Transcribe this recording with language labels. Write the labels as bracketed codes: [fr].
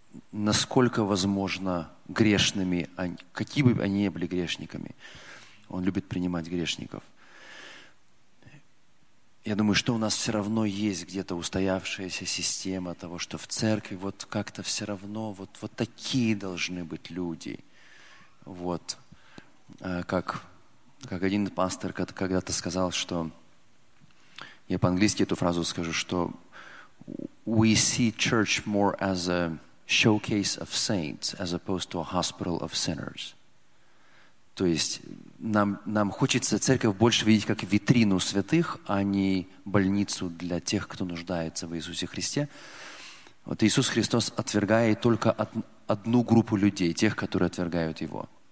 [ru] Насколько возможно грешными, какие бы они ни были грешниками, Он любит принимать грешников. Я думаю, что у нас все равно есть где-то устоявшаяся система того, что в церкви вот как-то все равно вот такие должны быть люди. Вот. Как один пастор когда-то сказал, что я по-английски эту фразу скажу, что [en] we see church more as a showcase of saints as opposed to a hospital of sinners. [ru] То есть нам хочется церковь больше видеть как витрину святых, а не больницу для тех, кто нуждается в Иисусе Христе. Вот Иисус Христос отвергает только одну группу людей, тех, которые отвергают Его.